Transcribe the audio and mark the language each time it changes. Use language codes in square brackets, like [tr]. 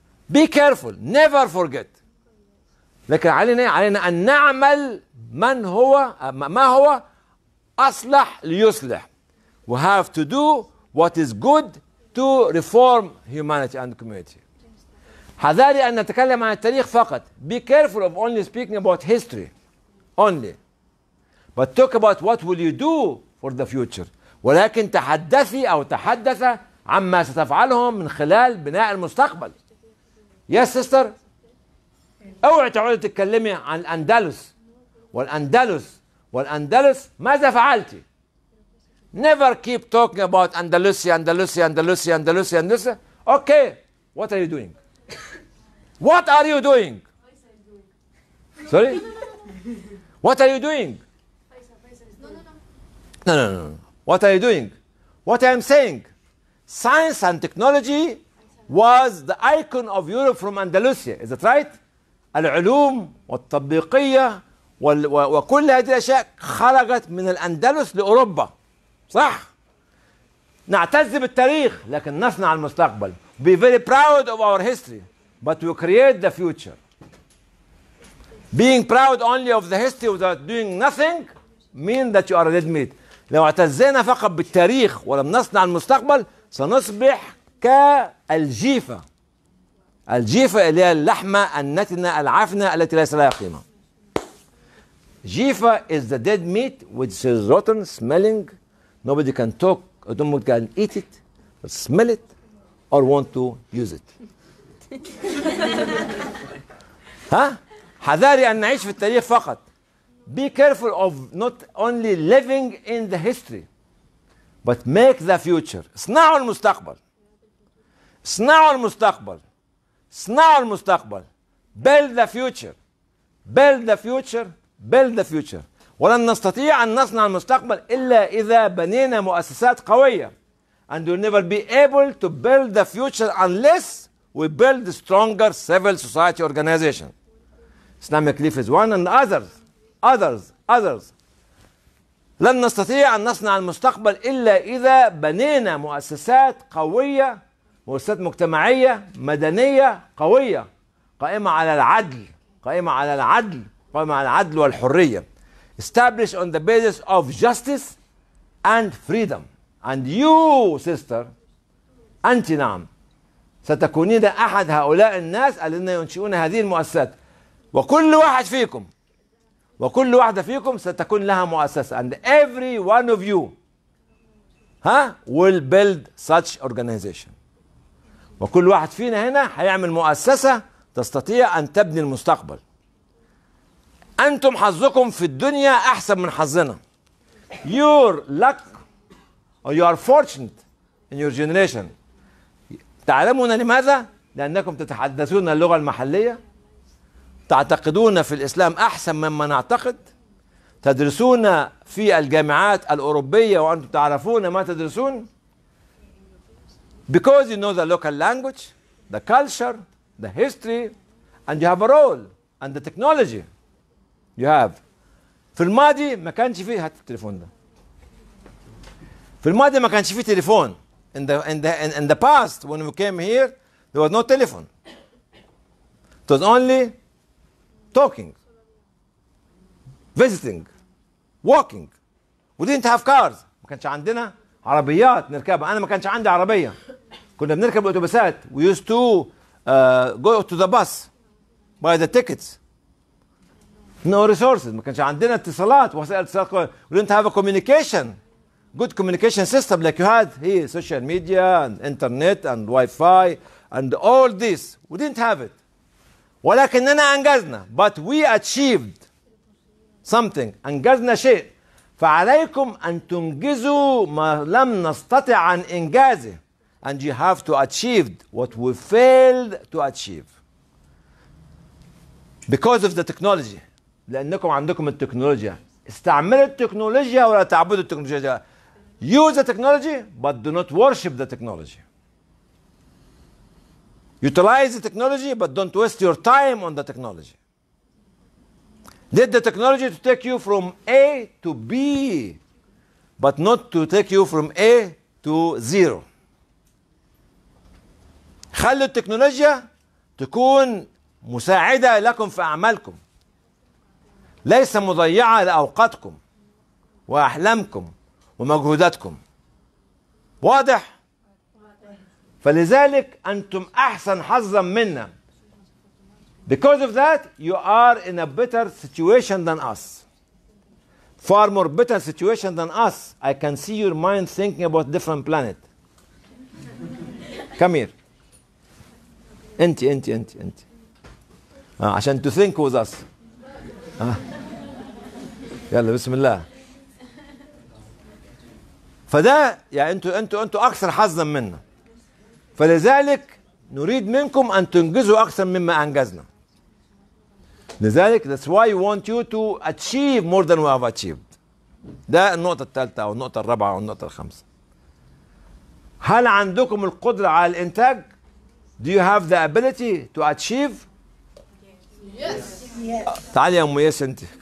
[en] Be careful. Never forget. [ar] لكن علينا أن نعمل من هو ما هو أصلح ليصلح. [en] We have to do what is good to reform humanity and community. [ar] حذاري أن نتكلم عن التاريخ فقط. [en] Be careful of only speaking about history only. But talk about what will you do for the future. [ar] ولكن تحدثي أو تحدث عما ستفعلهم من خلال بناء المستقبل. [en] Yes sister. [ar] أوعي تعود تتكلمي عن الأندلس. والأندلس. والأندلس ماذا فعلتي؟ [en] Never keep talking about Andalusia, Andalusia, Andalusia, Andalusia, Andalusia. Okay. What are you doing? What are you doing? Sorry? What are you doing? No. What are you doing? What I'm saying, science and technology was the icon of Europe from Andalusia. Is that right? [ar] العلوم والتطبيقية وكل هذه الأشياء خرجت من الأندلس لأوروبا، صح؟ نعتز بالتاريخ لكن نصنع المستقبل. [en] Be very proud of our history, but we create the future. Being proud only of the history without doing nothing means that you are a dead meat. [ar] لو اعتزينا فقط بالتاريخ ولم نصنع المستقبل سنصبح كالجيفة. الجيفة اللي هي اللحمة النتنة العفنة التي ليس لها قيمة. [en] جيفة is the dead meat which is rotten, smelling. Nobody can talk, nobody can eat it, smell it, or want to use it. [ar] ها؟ حذاري أن نعيش في التاريخ فقط. [en] Be careful of not only living in the history, but make the future. [ar] اصنعوا المستقبل. اصنعوا المستقبل. اصنعوا المستقبل. [en] Build the future. Build the future. Build the future. [ar] ولن نستطيع أن نصنع المستقبل إلا إذا بنينا مؤسسات قوية. [en] And we'll never be able to build the future unless we build stronger civil society organizations. Islamic Leaf is one and others. Others. Others. [ar] لن نستطيع أن نصنع المستقبل إلا إذا بنينا مؤسسات قوية. مؤسسات مجتمعية مدنية قوية. قائمة على العدل. قائمة على العدل. قائمة على العدل والحرية. [en] Established on the basis of justice and freedom. And you, sister, [ar] أنت نعم ستكونين أحد هؤلاء الناس الذين ينشئون هذه المؤسسات. وكل واحد فيكم وكل واحدة فيكم ستكون لها مؤسسة. [en] And every one of you will build such organization. [ar] وكل واحد فينا هنا هيعمل مؤسسة تستطيع أن تبني المستقبل. أنتم حظكم في الدنيا أحسن من حظنا. [en] Your luck or you are fortunate in your generation. [ar] تعلمون لماذا؟ لأنكم تتحدثون اللغة المحلية، تعتقدون في الإسلام أحسن مما نعتقد، تدرسون في الجامعات الأوروبية وأنتم تعرفون ما تدرسون. [en] Because you know the local language, the culture, the history, and you have a role and the technology. You have. [ar] في الماضي ما كانش فيه هات التليفون ده. في الماضي ما كانش فيه تليفون. [en] In the past when we came here, there was no telephone. It was only talking, visiting, walking. We didn't have cars. [ar] ما كانش عندنا عربيات نركبها. أنا ما كانش عندي عربية. كنا بنركب الأتوبيسات. [en] We used to go to the bus, buy the tickets. No resources. [ar] ما كانش عندنا اتصالات وسائل اتصالات. [en] We didn't have a communication, good communication system like you had here, social media and internet and Wi-Fi and all this. We didn't have it. [ar] ولكننا أنجزنا. [en] But we achieved something. [ar] أنجزنا شيء. فعليكم أن تنجزوا ما لم نستطع عن إنجازه. [en] And you have to achieve what we failed to achieve. Because of the technology. [ar] لأنكم عندكم التكنولوجيا. استعملوا التكنولوجيا ولا تعبدوا التكنولوجيا. [en] Use the technology but do not worship the technology. Utilize the technology but don't waste your time on the technology. Let the technology to take you from A to B but not to take you from A to zero. [ar] خلوا التكنولوجيا تكون مساعدة لكم في أعمالكم ليس مضيعة لأوقاتكم وأحلامكم ومجهوداتكم. واضح؟ فلذلك أنتم أحسن حظا منا. [en] Because of that you are in a better situation than us. Far more better situation than us. I can see your mind thinking about different planet. Come here. [ar] انت عشان [en] To think with us. [ar] يلا بسم الله. فده يعني انتوا اكثر حظا منا. فلذلك نريد منكم ان تنجزوا اكثر مما انجزنا. لذلك [en] that's why we want you to achieve more than we have achieved. [ar] ده النقطه الثالثه او النقطه الرابعه او النقطه الخامسه. هل عندكم القدره على الانتاج؟ [en] Do you have the ability to achieve? Yes. [ar] تعالي يا ام ياس انت.